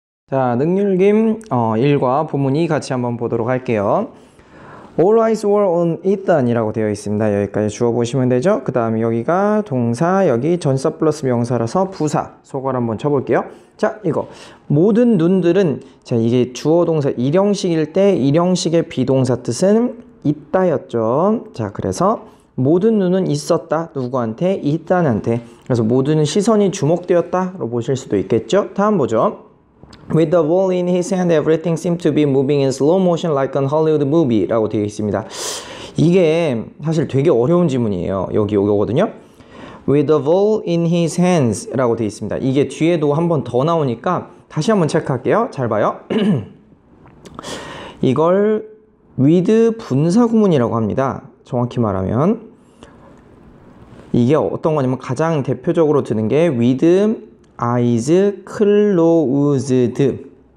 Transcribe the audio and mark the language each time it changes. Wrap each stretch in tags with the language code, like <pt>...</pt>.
<ko>자, 능률김 1과 본문 2 같이 한번 보도록 할게요.</ko> <en>All eyes were on Ethan이라고</en> <ko>되어 있습니다. 여기까지 주어 보시면 되죠. 그 다음에 여기가 동사, 여기 전사 플러스 명사라서 부사, 소괄 한번 쳐볼게요. 자, 이거 모든 눈들은, 자, 이게 주어 동사 일형식일 때 일형식의 비동사 뜻은 있다였죠. 자, 그래서 모든 눈은 있었다. 누구한테? Ethan한테. 그래서 모든 시선이 주목되었다로 보실 수도 있겠죠. 다음 보죠.</ko> <en>With the ball in his hand, everything seemed to be moving in slow motion like a Hollywood movie</en> <ko>라고 되어 있습니다. 이게 사실 되게 어려운 질문이에요. 여기 요거거든요.</ko> <en>With the ball in his hands</en> <ko>라고 되어 있습니다. 이게 뒤에도 한번더 나오니까 다시 한번 체크할게요. 잘 봐요. 이걸 with 분사 구문이라고 합니다. 정확히 말하면 이게 어떤 거냐면 가장 대표적으로 드는 게</ko> <en>with Eyes closed.</en>